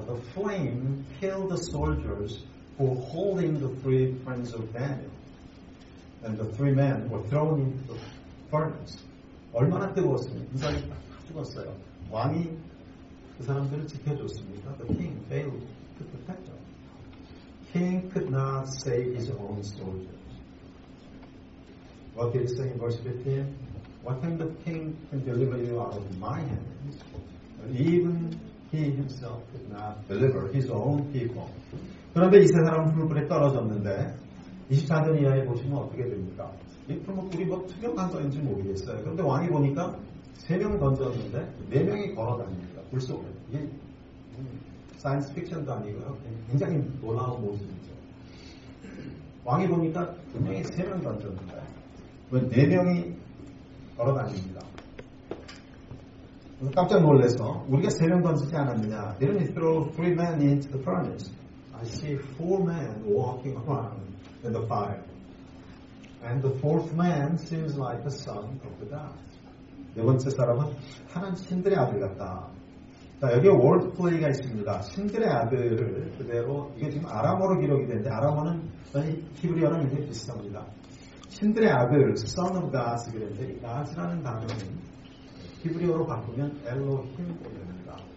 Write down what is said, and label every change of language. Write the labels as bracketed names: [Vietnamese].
[English] The flame killed the soldiers who were holding the three friends of Daniel. And the three men were thrown into the furnace. [Korean] 얼마나 뜨거웠습니까? 군사들이 다 타 죽었어요. 왕이 그 사람들을 지켜줬습니다. [English] The king failed to protect them. King could not save his own soldiers. What did he say in verse 15? What kind of king can deliver you out of my hands? But even he himself could not deliver his own people. [Korean] 그런데 이 세 사람은 풀불에 떨어졌는데 24절 이하에 보시면 어떻게 됩니까? 이 풀불이 뭐 투명한 거인지 모르겠어요. 그런데 왕이 보니까 세 명을 던졌는데 네 명이 걸어다닙니다. 불 속에. 이게 사이언스 픽션도 아니고요. 굉장히 놀라운 모습이죠. 왕이 보니까 분명히 세 명 던졌는데 왜 네 명이 걸어다닙니다. 깜짝 놀라서 우리가 세 명 던지지 않았느냐. [English] They didn't throw three men into the furnace. I see four men walking around in the fire. And the fourth man seems like a son of the dust. [Korean] 네 번째 사람은 하나님 신들의 아들 같다. 자, 여기에 월드플레이가 있습니다. 신들의 아들을 그대로, 이게 지금 아람어로 기록이 되는데, 아람어는 히브리어랑 굉장히 비슷합니다. 신들의 아들 Son of God이 그랬는데 이 God라는 단어는 히브리어로 바꾸면 엘로힘입니다.